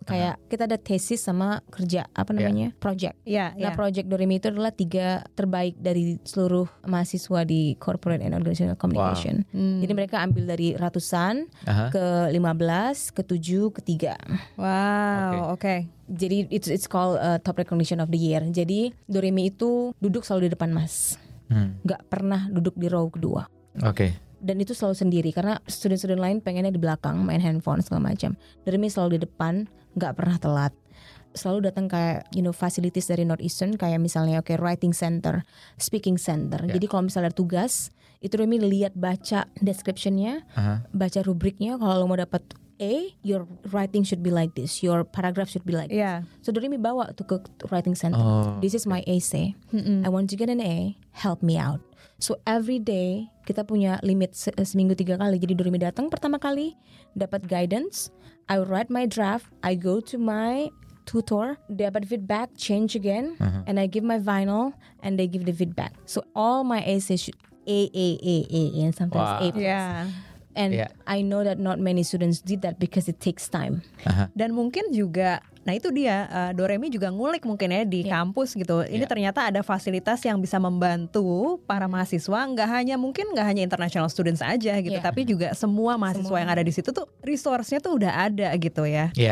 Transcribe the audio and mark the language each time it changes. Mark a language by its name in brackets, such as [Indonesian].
[Indonesian] Kayak kita ada thesis sama kerja, apa namanya? Project. Nah project Doremi itu adalah 3 terbaik dari seluruh mahasiswa di corporate and organizational communication. Jadi mereka ambil dari ratusan ke 15, ke 7, ke 3. Wow, okay. [English] Jadi it's called top recognition of the year. [Indonesian] Jadi Doremi itu duduk selalu di depan Mas. Gak pernah duduk di row kedua. Dan itu selalu sendiri, karena student-student lain pengennya di belakang main handphone segala macam. Doremi selalu di depan, gak pernah telat. Selalu datang kayak, [English] you know, [Indonesian] facilities dari Northeastern, kayak misalnya writing center, speaking center. Jadi kalau misalnya ada tugas, itu Doremi lihat, baca description-nya, baca rubriknya. Kalau lo mau dapat A, [English] your writing should be like this, your paragraph should be like this. So Doremi [Indonesian] bawa tuh ke [English] writing center. This is my essay. I want to get an A, help me out. So every day [Indonesian] kita punya limit seminggu 3 kali. Jadi Doremi datang pertama kali, dapat guidance, [English] I write my draft, I go to my tutor, [Indonesian] dapat feedback, [English] change again, and I give my final, and they give the feedback. So all my essays should A, and sometimes A plus. I know that not many students did that because it takes time. [Indonesian] Dan mungkin juga, nah itu dia, Doremi juga ngulik mungkin ya di kampus gitu. Ini ternyata ada fasilitas yang bisa membantu para mahasiswa, nggak hanya international students aja gitu, tapi juga semua mahasiswa yang ada di situ tuh resource-nya tuh udah ada gitu ya.